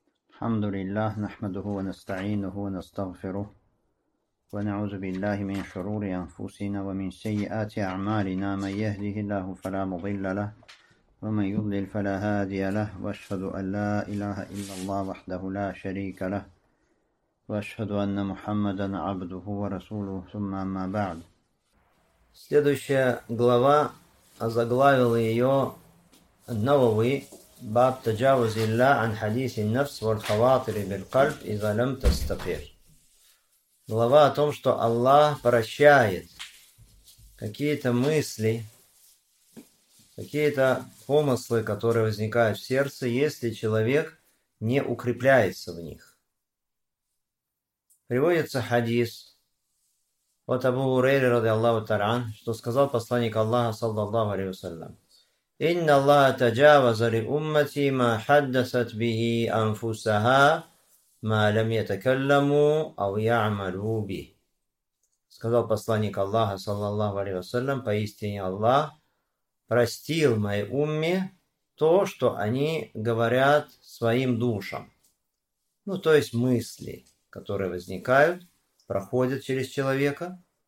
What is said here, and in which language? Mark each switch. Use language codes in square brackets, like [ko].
[ar] الحمد لله نحمده ونستعينه ونستغفره ونعوذ بالله من شرور أنفسنا ومن سيئات أعمالنا من يهده الله فلا مضل له ومن يضلل فلا هادي له وأشهد أن لا إله إلا الله وحده لا شريك له وأشهد أن محمدا عبده ورسوله ثم أما بعد. [ru] Следующая глава озаглавил ее Ан-Навави [ar] باب تجاوز الله عن حديث النفس والخواطر بالقلب إذا لم تستقر. [ru] Глава о том, что Аллах прощает какие-то мысли, какие-то помыслы, которые возникают в сердце, если человек не укрепляется в них. Приводится хадис от Абу Хурейры [ar] رضي الله تعالى عنه, [ru] что сказал посланник Аллаха [ar] صلى الله عليه وسلم: إِنَّ اللَّهَ تَجَاوَزَ لِأُمَّتِي مَا حَدَّثَتْ بِهِ أَنفُسَهَا مَا لَمْ يَتَكَلَّمُوا أَوْ يَعْمَلُوا بِهِ. [ru] Сказал посланник Аллаха, саллаллаху алейхи вассалям: поистине Аллах простил моей умме то, что они говорят своим душам. Ну, то есть мысли, которые возникают, проходят через человека.